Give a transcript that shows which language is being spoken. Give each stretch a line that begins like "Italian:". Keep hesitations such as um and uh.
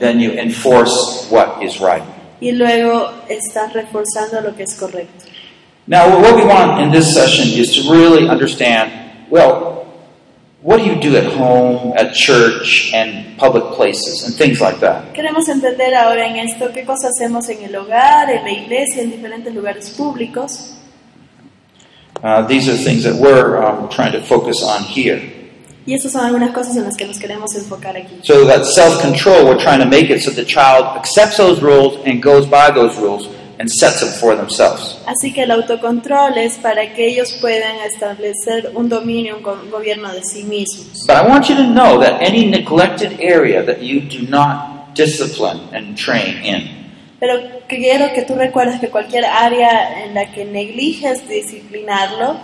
English: then you enforce what is right.
Spanish: Y luego estás reforzando lo que es correcto.
English: Now, what we want in this session is to really understand well, what do you do at home, at church, and public places, and things like that?
Spanish: Queremos uh, entender ahora en esto qué cosas hacemos en el hogar, en la iglesia, en diferentes lugares públicos.
English: these are things that we're um, trying to focus on here.
Spanish: Y esas son algunas cosas en las que nos queremos enfocar aquí.
English: So that self-control, we're trying to make it so the child accepts those rules and goes by those rules and sets them for themselves.
Spanish: Así que el autocontrol es para que ellos puedan establecer un dominio, un gobierno de sí mismos.
English: But I want you to know that any neglected area that you do not discipline and train in.
Spanish: Pero quiero que tú recuerdes que cualquier área en la que negliges disciplinarlo